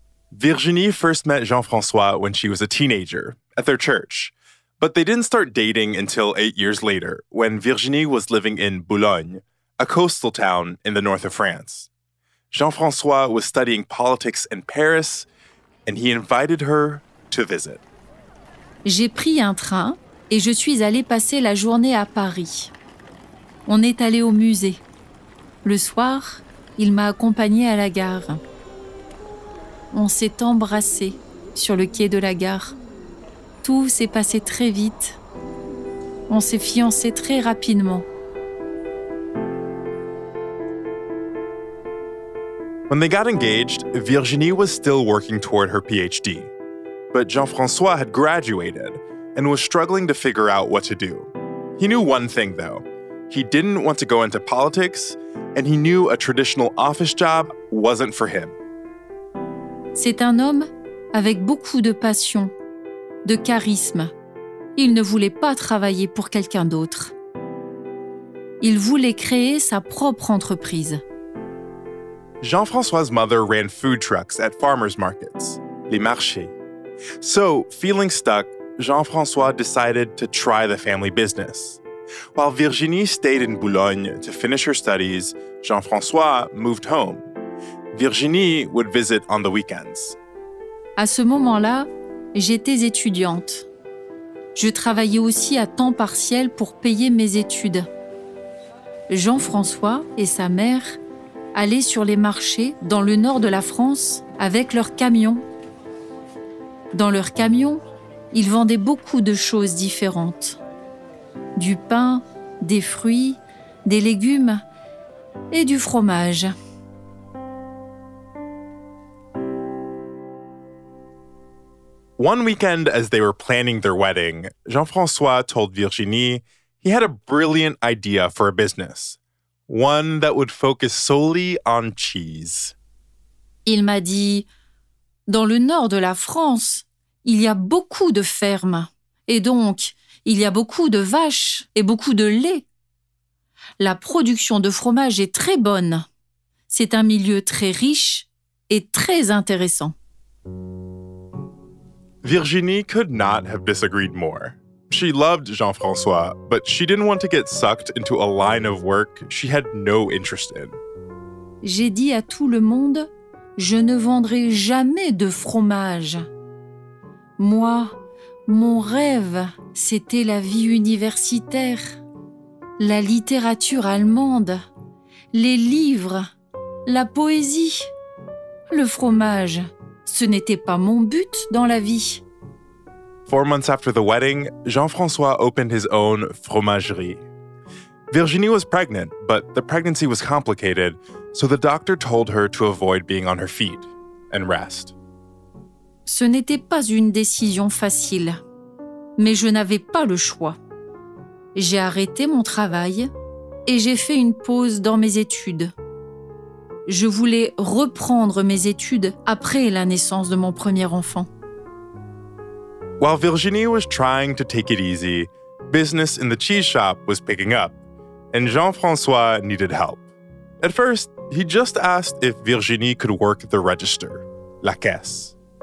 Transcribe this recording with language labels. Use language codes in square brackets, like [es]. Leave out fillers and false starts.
[en] Virginie first met Jean-François when she was a teenager, at their church. But they didn't start dating until 8 years later, when Virginie was living in Boulogne, a coastal town in the north of France. Jean-François was studying politics in Paris, and he invited her to visit. [fr] J'ai pris un train, et je suis allée passer la journée à Paris. On est allé au musée. Le soir, il m'a accompagnée à la gare. On s'est embrassé sur le quai de la gare. Tout s'est passé très vite. On s'est fiancé très rapidement. [en] When they got engaged, Virginie was still working toward her PhD. But Jean-François had graduated and was struggling to figure out what to do. He knew one thing, though. He didn't want to go into politics, and he knew a traditional office job wasn't for him. [fr] C'est un homme avec beaucoup de passion, de charisme. Il ne voulait pas travailler pour quelqu'un d'autre. Il voulait créer sa propre entreprise. [en] Jean-François's mother ran food trucks at farmers markets, les marchés. So, feeling stuck, Jean-François decided to try the family business. While Virginie stayed in Boulogne to finish her studies, Jean-François moved home. Virginie would visit on the weekends. [fr] À ce moment-là, j'étais étudiante. Je travaillais aussi à temps partiel pour payer mes études. Jean-François et sa mère allaient sur les marchés dans le nord de la France avec leur camion. Dans leur camion, ils vendaient beaucoup de choses différentes. Du pain, des fruits, des légumes et du fromage. [en] One weekend, as they were planning their wedding, Jean-François told Virginie he had a brilliant idea for a business, one that would focus solely on cheese. [fr] Il m'a dit, dans le nord de la France, il y a beaucoup de fermes, et donc, il y a beaucoup de vaches et beaucoup de lait. La production de fromage est très bonne. C'est un milieu très riche et très intéressant. [en] Virginie could not have disagreed more. She loved Jean-François, but she didn't want to get sucked into a line of work she had no interest in. [fr] J'ai dit à tout le monde, je ne vendrai jamais de fromage. Moi, mon rêve, c'était la vie universitaire, la littérature allemande, les livres, la poésie, le fromage. Ce n'était pas mon but dans la vie. [en] 4 months after the wedding, Jean-François opened his own fromagerie. Virginie was pregnant, but the pregnancy was complicated, so the doctor told her to avoid being on her feet and rest. [fr] Ce n'était pas une décision facile, mais je n'avais pas le choix. J'ai arrêté mon travail et j'ai fait une pause dans mes études. Je voulais reprendre mes études après la naissance de mon premier enfant. [en] While Virginie was trying to take it easy, business in the cheese shop was picking up, and Jean-François needed help. At first, he just asked if Virginie could work the register, la caisse.